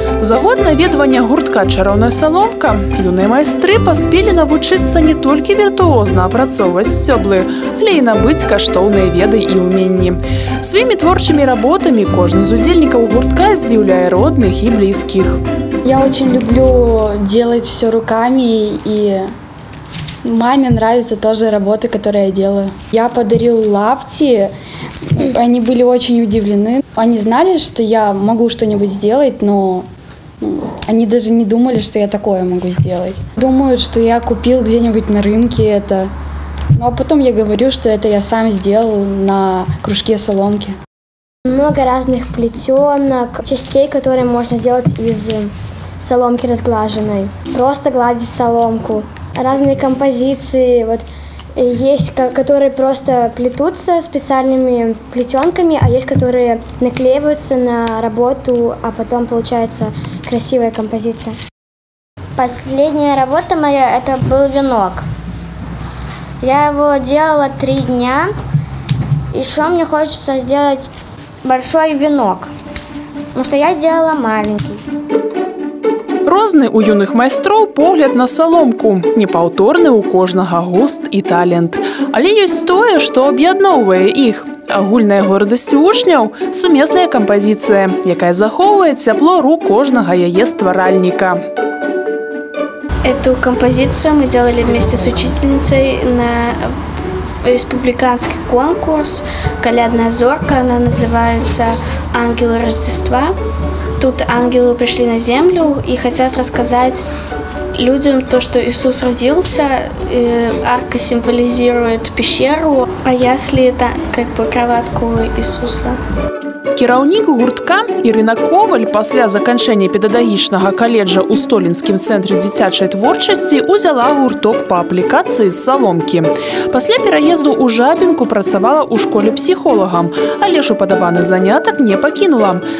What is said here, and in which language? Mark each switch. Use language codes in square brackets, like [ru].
[be] За год наведвання гуртка «Чароўная саломка» юныя майстры паспелі навучыцца не толькі віртуозна апрацоўваць сцёблы, але і набыць каштоўныя веды і ўменні. Сваімі творчымі работамі кожны з удзельнікаў гуртка здзіўляе родных і блізкіх. [ru] Я очень люблю делать все руками, и маме нравятся тоже работы, которые я делаю. Я подарил лапти, они были очень удивлены. Они знали, что я могу что-нибудь сделать, но они даже не думали, что я такое могу сделать. Думают, что я купил где-нибудь на рынке это. Ну а потом я говорю, что это я сам сделал на кружке соломки. Много разных плетенок, частей, которые можно сделать из соломки разглаженной. Просто гладить соломку. Разные композиции. Вот есть, которые просто плетутся специальными плетенками, а есть, которые наклеиваются на работу, а потом получается красивая композиция. Последняя работа моя – это был венок. Я его делала 3 дня. Еще мне хочется сделать большой венок, потому что я делала маленький. [be] Розны у юных майстроў погляд на саломку, непаўторны у кожнага густ і талент. Але ёсць тое, што аб'ядноўвае іх. Агульная гордасць вучняў – сумесная кампазіцыя, якая захоўвае цяпло рук кожнага яе стваральніка. [ru] Эту кампазіцыю мы делали вместе с учительницей на республиканский конкурс «Калядная зорка». Она называется «Ангелы Рождества». Тут ангелы пришли на землю и хотят рассказать людям то, что Иисус родился. Арка символизирует пещеру, а ясли – это как бы кроватку Иисуса. [be] Кіраўнік гуртка Ірына Коваль пасля заканчэння педагагічнага каледжа ў Столінскім цэнтры дзіцячай творчасці ўзяла гурток па аплікацыі з саломкі. Пасля пераезду ў Жабінку працавала ў школе псіхолагам, але ж упадабаны занятак не пакінула.